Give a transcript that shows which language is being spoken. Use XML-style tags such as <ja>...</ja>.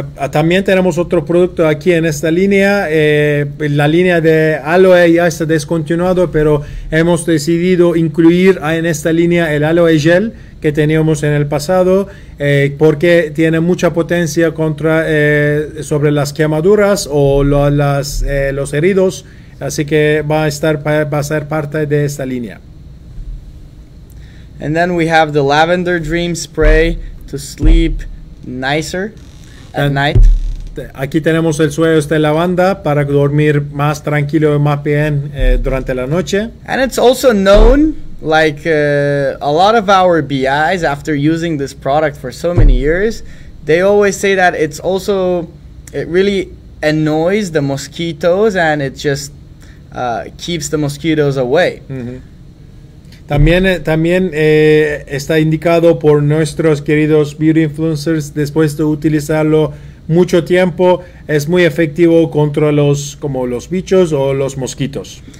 <es>También tenemos otro producto aquí en esta línea. La línea de aloe ya está descontinuado, pero hemos decidido incluir en esta línea el aloe gel que teníamos en el pasado porque tiene mucha potencia contra sobre las quemaduras o los heridos, así que va a ser parte de esta línea.</es> <en>And then we have the lavender dream spray to sleep nicer at night.</en> <es>Aquí tenemos el suero de lavanda para dormir más tranquilo y más bien durante la noche.</es> <en>And it's also known, like a lot of our BIs, after using this product for so many years, they always say that it really annoys the mosquitoes and it just keeps the mosquitoes away. Mm-hmm.</en> <es>También está indicado por nuestros queridos beauty influencers, después de utilizarlo mucho tiempo, es muy efectivo contra los como los bichos o los mosquitos.</es>